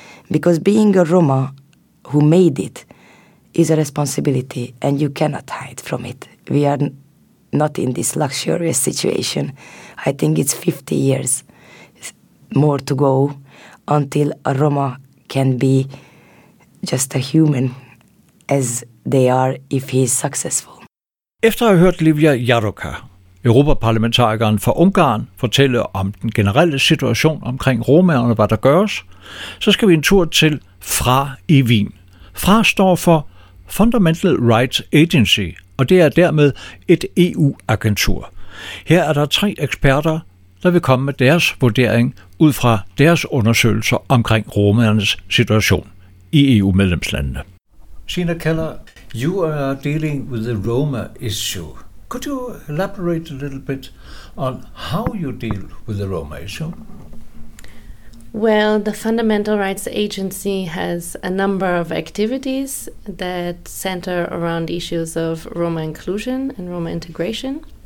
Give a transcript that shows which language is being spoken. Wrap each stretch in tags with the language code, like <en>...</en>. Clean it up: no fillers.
<en>Because being a Roma who made it is a responsibility, and you cannot hide from it. We are not in this luxurious situation. I think it's 50 years more to go until a Roma can be just a human as they are if he is successful.</en> <da>Efter at have hørt Livia Jaroka, europaparlamentarikeren for Ungarn, fortælle om den generelle situation omkring romerne og hvad der gøres, så skal vi en tur til FRA i Wien. FRA står for Fundamental Rights Agency, og det er dermed et EU-agentur. Her er der tre eksperter, der vil komme med deres vurdering ud fra deres undersøgelser omkring romernes situation i EU-medlemslandene.</da> <en>Sina Keller, you are dealing with the Roma issue. Could you elaborate a little bit on how you deal with the Roma issue? Well, the Fundamental Rights Agency has a number of activities that center around issues of Roma inclusion and Roma integration.</en>